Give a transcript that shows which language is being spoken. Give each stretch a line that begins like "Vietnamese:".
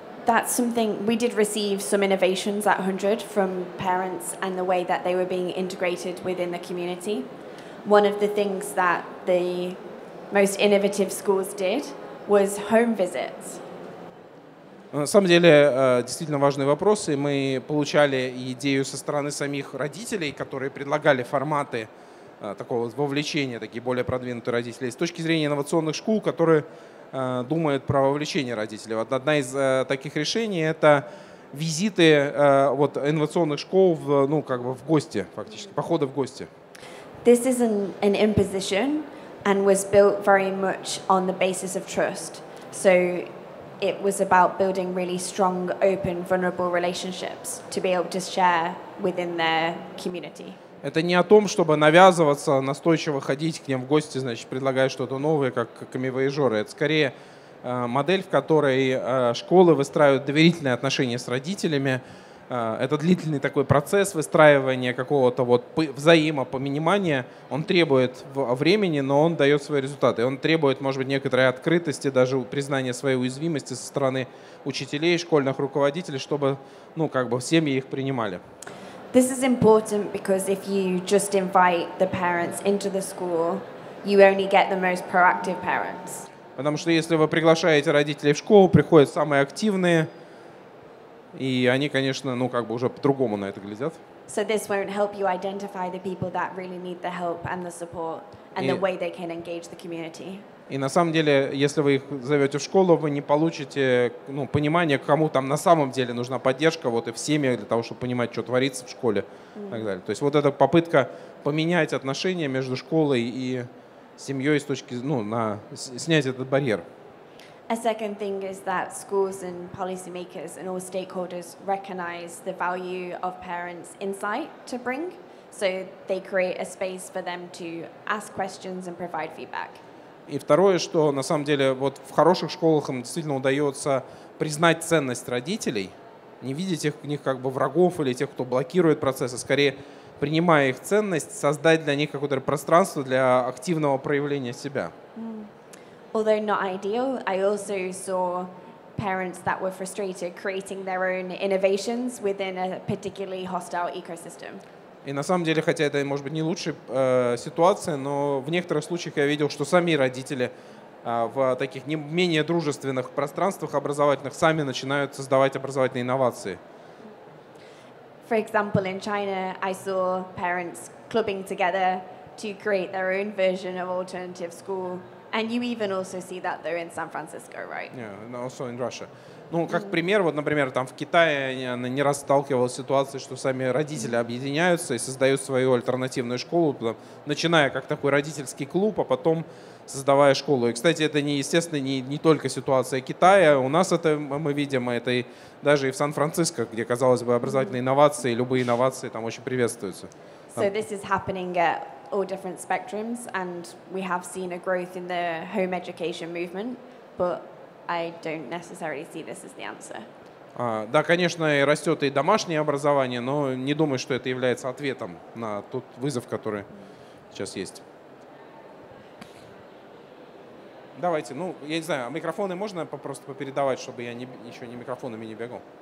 English: That's something we did receive some innovations at 100 from parents and the way that they were being integrated within the community. One of the things that the most innovative schools did was home visits.
Russian: На самом деле, действительно важный вопрос, и мы получали идею со стороны самих родителей, которые предлагали форматы такого вовлечения, такие более продвинутые родители, с точки зрения инновационных школ, которые думают про вовлечение родителей. Вот одна из таких решений – это визиты вот, инновационных школ в, ну, как бы в гости, фактически, походы в гости.
English: This is an imposition and was built very much on the basis of trust. So it was about building really strong, open, vulnerable relationships to be able to share within their community.
Russian: Это не о том, чтобы навязываться, настойчиво ходить к ним в гости, значит, предлагая что-то новое, как коммивояжеры. Это скорее модель, в которой школы выстраивают доверительные отношения с родителями. Это длительный такой процесс выстраивания какого-то вот взаимопонимания. Он требует времени, но он дает свои результаты. Он требует, может быть, некоторой открытости, даже признания своей уязвимости со стороны учителей, школьных руководителей, чтобы, ну, как бы семьи их принимали.
English: This is important because if you just invite the parents into the school, you only get the most proactive parents.
Russian: Потому что если вы приглашаете родителей в школу, приходят самые активные, и они, конечно, ну как бы уже по-другому на это глядят.
English: So this won't help you identify the people that really need the help and the support and the way they can engage the community.
Russian: И на самом деле, если вы их зовете в школу, вы не получите, ну, понимание, кому там на самом деле нужна поддержка, вот и в семьях для того, чтобы понимать, что творится в школе и так далее. То есть вот эта попытка поменять отношения между школой и семьей с точки, ну, на снять этот барьер.
English: A second thing is that schools and policymakers and all stakeholders recognize the value of parents' insight to bring, so they create a space for them to ask questions and provide feedback.
Russian: И второе, что на самом деле вот в хороших школах им действительно удается признать ценность родителей, не видеть их, в них как бы врагов или тех, кто блокирует процессы, скорее принимая их ценность, создать для них какое-то пространство для активного проявления себя.
English: Although not ideal, I also saw parents that were frustrated creating their own innovations within a particularly hostile ecosystem.
Russian: И на самом деле, хотя это, может быть, не лучшая ситуация, но в некоторых случаях я видел, что сами родители в таких не менее дружественных пространствах образовательных сами начинают создавать образовательные инновации.
English: For example, in China, I saw parents clubbing together to create their own version of alternative school. And you even also see that though in San Francisco, right? Yeah, also in Russia.
Russian: Ну, как пример, вот, например, там в Китае я не раз сталкивался с ситуацией, что сами родители объединяются и создают свою альтернативную школу, там, начиная как такой родительский клуб, а потом создавая школу. И, кстати, это, не, естественно, не только ситуация Китая. У нас это мы видим, это и даже и в Сан-Франциско, где, казалось бы, образовательные инновации, любые инновации там очень приветствуются.
English: So this is happening at all different spectrums, and we have seen a growth in the home education movement, but I don't necessarily see this as the answer.
Russian: Да, конечно, и растет и домашнее образование, но не думаю, что это является ответом на тот вызов, который сейчас есть. Давайте, ну, я не знаю, микрофоны можно просто попередавать, чтобы я еще не микрофонами не бегал?